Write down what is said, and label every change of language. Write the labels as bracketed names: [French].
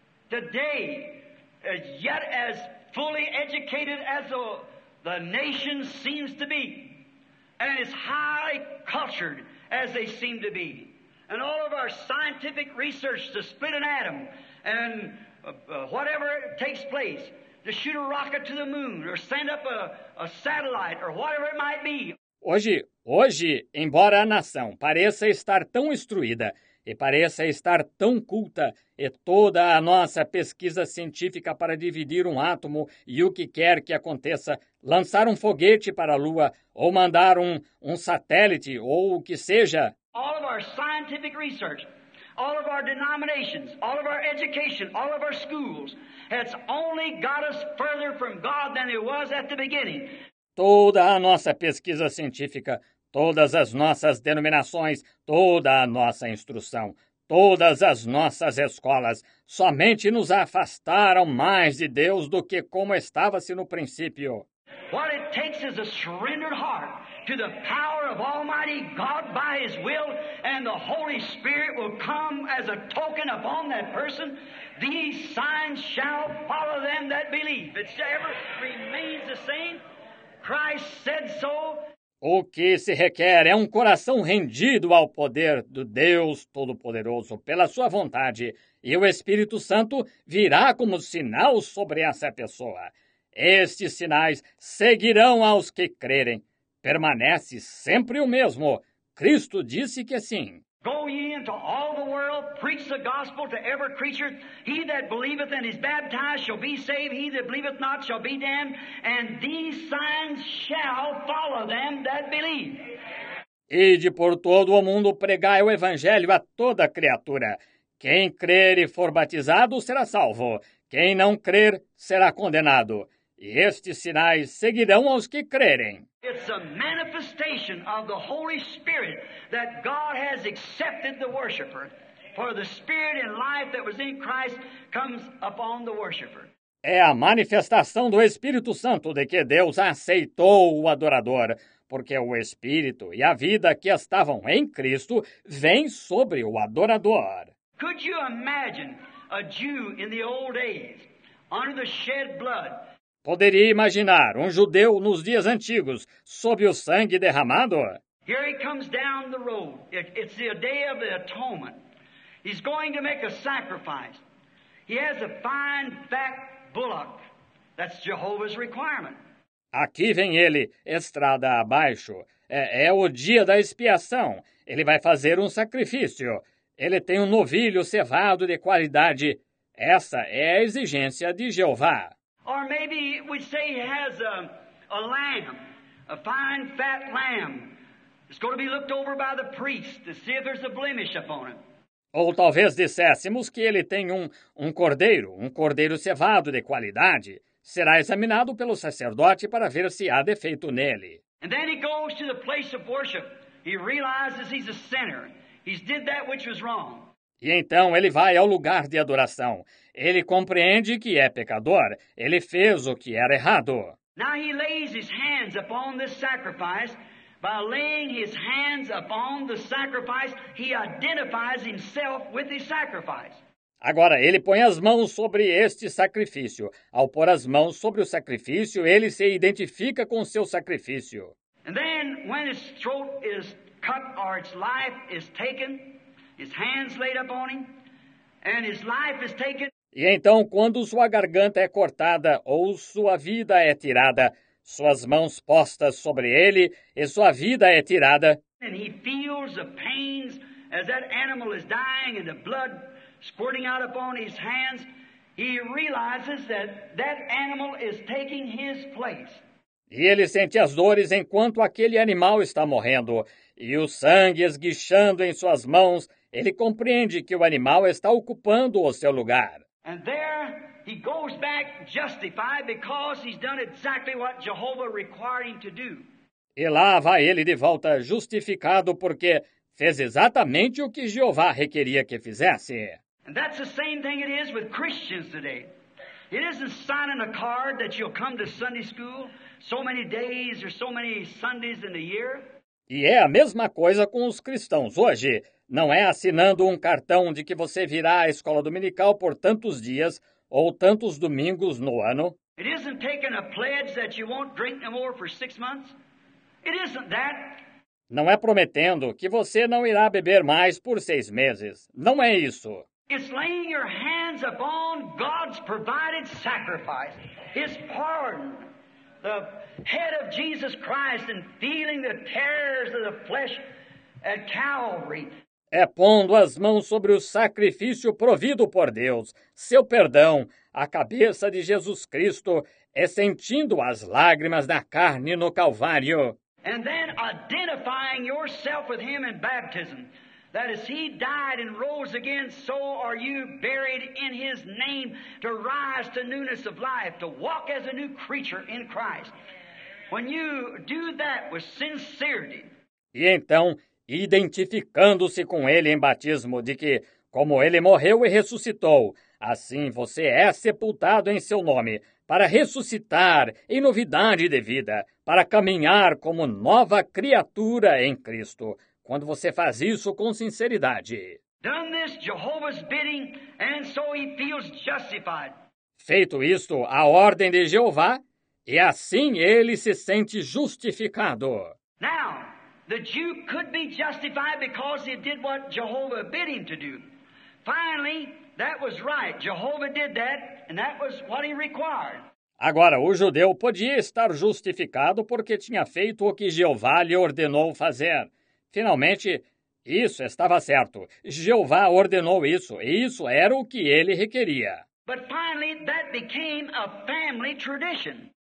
[English] Today, yet as fully educated as the nation seems to be, and as high cultured as they seem to be, and all of our scientific research to split an atom, and whatever takes place, to shoot a rocket to the moon, or send up a satellite, or whatever it might be. [Portuguese] Hoje, embora a nação pareça estar tão instruída e pareça estar tão culta, e toda a nossa pesquisa científica para dividir um átomo e o que quer que aconteça, lançar um foguete para a Lua, ou mandar um satélite, ou o que seja. [English] All of our scientific research, all of our denominations, all of our education, all of our schools, it's only got us further from God than it was at the beginning. [Portuguese] Toda a nossa pesquisa científica, todas as nossas denominações, toda a nossa instrução, todas as nossas escolas somente nos afastaram mais de Deus do que como estava-se no princípio. [English] What it takes is a surrendered heart to the power of Almighty God by His will, and the Holy Spirit will come as a token upon that person. These signs shall follow them that believe. It ever remains the same. Christ said so. [Portuguese] O que se requer é um coração rendido ao poder do Deus Todo-Poderoso pela sua vontade, e o Espírito Santo virá como sinal sobre essa pessoa. Estes sinais seguirão aos que crerem. Permanece sempre o mesmo. Cristo disse que sim. [English] Go ye into all the world, preach the gospel to every creature. He that believeth and is baptized shall be saved. He that believeth not shall be damned. And these signs shall follow them that believe. [Portuguese] Ide por todo o mundo, pregai o evangelho a toda criatura. Quem crer e for batizado será salvo. Quem não crer será condenado. E estes sinais seguirão aos que crerem. [English] It's a manifestation of the Holy Spirit that God has accepted the worshiper. For the Spirit and life that was in Christ comes upon the worshiper. [Portuguese] É a manifestação do Espírito Santo de que Deus aceitou o adorador, porque o Espírito e a vida que estavam em Cristo vêm sobre o adorador. [English] Could you imagine a Jew in the old days, under the shed blood? [Portuguese] Poderia imaginar um judeu nos dias antigos, sob o sangue derramado? [English] Here he comes down the road. It's the day of the atonement. He's going to make a sacrifice. He has a fine fat bullock. That's Jehovah's requirement. [Portuguese] Aqui vem ele, estrada abaixo. É o dia da expiação. Ele vai fazer um sacrifício. Ele tem um novilho cevado de qualidade. Essa é a exigência de Jeová. [English] Or maybe we say he has a lamb, a fine fat lamb. It's going to be looked over by the priest to see if there's a blemish upon it. [Portuguese] Ou talvez disséssemos que ele tem um cordeiro cevado de qualidade. Será examinado pelo sacerdote para ver se há defeito nele. [English] And then he goes to the place of worship. He realizes he's a sinner. He's did that which was wrong. [Portuguese] E então ele vai ao lugar de adoração. Ele compreende que é pecador. Ele fez o que era errado. [English] Now he lays his hands upon this sacrifice. By laying his hands upon the sacrifice, he identifies himself with the sacrifice. [Portuguese] Agora ele põe as mãos sobre este sacrifício. Ao pôr as mãos sobre o sacrifício, ele se identifica com o seu sacrifício. [English] And then when his throat is cut or its life is taken, his hands laid upon him, and his life is taken. [Portuguese] E então, quando sua garganta é cortada ou sua vida é tirada, suas mãos postas sobre ele e sua vida é tirada. [English] And he feels the pains as that animal is dying and the blood squirting out upon his hands. He realizes that that animal is taking his place. [Portuguese] E ele sente as dores enquanto aquele animal está morrendo e o sangue esguichando em suas mãos. Ele compreende que o animal está ocupando o seu lugar. [English] And there he goes back justified because he's done exactly what Jehovah required him to do. [Portuguese] E lá vai ele de volta justificado porque fez exatamente o que Jeová requeria que fizesse. [English] And that's the same thing it is with Christians today. It isn't signing a card that you'll come to Sunday school so many days or so many Sundays in a year. [Portuguese] E é a mesma coisa com os cristãos hoje. Não é assinando um cartão de que você virá à escola dominical por tantos dias ou tantos domingos no ano. [English] It isn't taking a pledge that you won't drink no more for 6 months. It isn't that. [Portuguese] Não é prometendo que você não irá beber mais por 6 meses. Não é isso. [English] It's laying your hands upon God's provided sacrifice, His pardon, the head of Jesus Christ, and feeling the terrors of the flesh at Calvary. [Portuguese] É pondo as mãos sobre o sacrifício provido por Deus, seu perdão, a cabeça de Jesus Cristo, é sentindo as lágrimas da carne no Calvário. [English] And then identifying yourself with him in baptism, that as he died and rose again, so are you buried in his name to rise to newness of life, to walk as a new creature in Christ. When you do that with sincerity. [Portuguese] E então, identificando-se com ele em batismo, de que, como ele morreu e ressuscitou, assim você é sepultado em seu nome, para ressuscitar em novidade de vida, para caminhar como nova criatura em Cristo, quando você faz isso com sinceridade. [English] Done this, Jehovah's bidding, and so he feels justified. [Portuguese] Feito isto, a ordem de Jeová, e assim ele se sente justificado. [English] Now, the Jew could be justified because he did what Jehovah bid him to do. Finally, that was right. Jehovah did that, and that was what he required. [Portuguese] Agora, o judeu podia estar justificado porque tinha feito o que Jeová lhe ordenou fazer. Finalmente, isso estava certo. Jeová ordenou isso, e isso era o que ele requeria. [English] But finally, that became a family tradition.